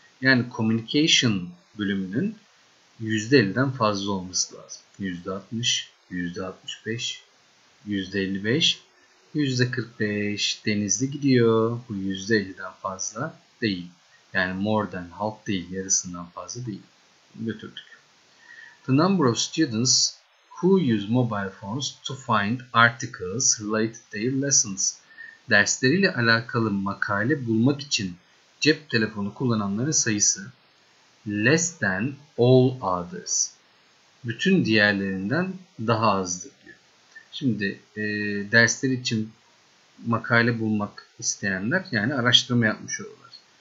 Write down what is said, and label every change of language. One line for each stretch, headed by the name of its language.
Turkish: Yani communication bölümünün %50'den fazla olması lazım. %60, %65, %55, %45 Denizli gidiyor. Bu %50'den fazla değil. Yani more than half değil, yarısından fazla değil. Götürdük.
English: The number of students who use mobile phones to find articles related their lessons.
Turkish: Dersleriyle alakalı makale bulmak için cep telefonu kullananların sayısı
English: less than all others.
Turkish: Bütün diğerlerinden daha azdır diyor. Şimdi dersler için makale bulmak isteyenler, yani araştırma yapmış oluyorlar.